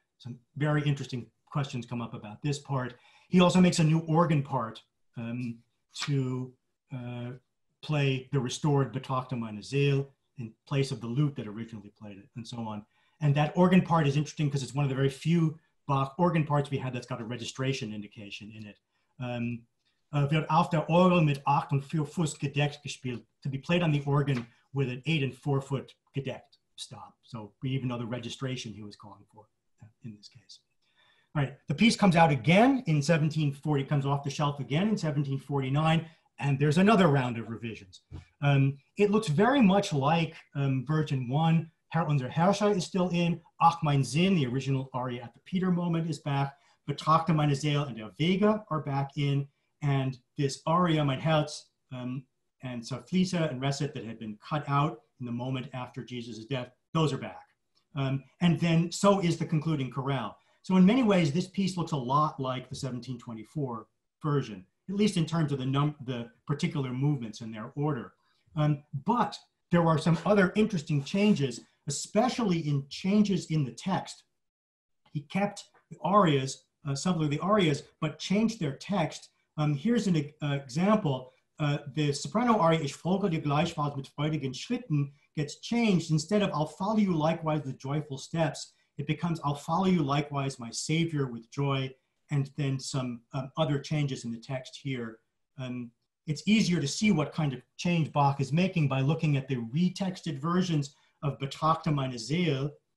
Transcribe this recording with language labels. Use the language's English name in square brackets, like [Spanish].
[English] Some very interesting questions come up about this part. He also makes a new organ part to play the restored Betrachte meine Seele in place of the lute that originally played it, and so on. And that organ part is interesting because it's one of the very few Bach organ parts we had that's got a registration indication in it. [German] Wird auf der Orgel mit 8 und 4 Fuß gedeckt gespielt, [English] to be played on the organ with an 8 and 4 foot gedeckt stop. So we even know the registration he was calling for in this case. All right, the piece comes out again in 1740, comes off the shelf again in 1749, and there's another round of revisions. It looks very much like version one. Herr unser Herrscher is still in, Ach mein Sinn, the original aria at the Peter moment is back, Betrachte meine Seele and Der Wege are back in, and this aria, Mein Herz, and Zerfließe and Reset that had been cut out in the moment after Jesus' death, those are back. And then so is the concluding chorale. So in many ways, this piece looks a lot like the 1724 version, at least in terms of the particular movements and their order. But there are some other interesting changes, especially in changes in the text. He kept the arias, subtly the arias, but changed their text. Here's an example. The soprano aria, [German] Ich folge dir gleichfalls mit freudigen Schritten, [English] gets changed. Instead of I'll follow you likewise with joyful steps, it becomes I'll follow you likewise, my savior, with joy, and then some other changes in the text here. It's easier to see what kind of change Bach is making by looking at the retexted versions of Betrachte meine Seele.